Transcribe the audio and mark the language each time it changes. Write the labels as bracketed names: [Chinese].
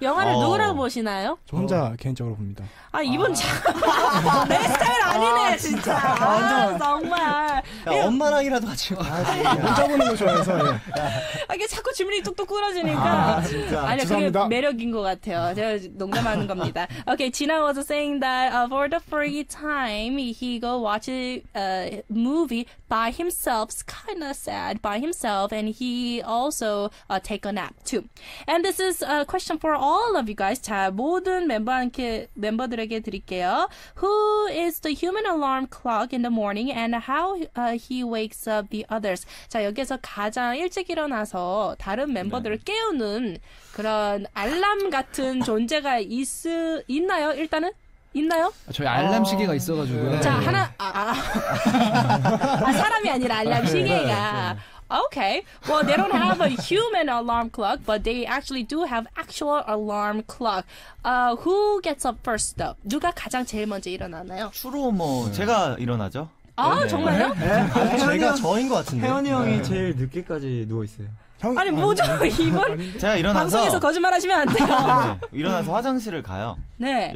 [Korean] 영화를 누구랑 보시나요? 저 혼자 개인적으로 봅니다. 아 이분 참 내 스타일 아니네 진짜. 정말. 야, 엄마랑이라도 같이 혼자 보는 거 좋아해서. 예. 아, 이게 자꾸 질문이 뚝뚝 끊어지니까. 아니요, 그게 매력인 것 같아요. 제가 농담하는 겁니다. [English] Okay, Gina was saying that for the free time, he go watch a movie by himself. It's kind of sad by himself, and he also take a nap too. And this is a question for all of you guys. [Korean] 자, 모든 멤버들에게 드릴게요. [English] Who is the human alarm clock in the morning, and how he wakes up the others? [Korean] 자, 여기서 가장 일찍 일어나서 다른 멤버들을 네. 깨우는 그런 알람 같은 존재가 있나요? 일단은 있나요? 저희 알람 시계가 있어가지고 자 네. 하나 사람이 아니라 알람 시계가 Okay. [English] Well, they don't have a human alarm clock, but they actually do have actual alarm clock. Who gets up first, though? [Korean] 누가 가장 제일 먼저 일어나나요? 주로 뭐 제가 일어나죠. 아 네. 정말요? 네. 제가 저인 것 같은데. 혜원이 형이 네. 제일 늦게까지 누워 있어요. 형, 아니 뭐죠 이번 제가 일어나서 방송에서 거짓말하시면 안 돼요. 네, 일어나서 화장실을 가요. 네.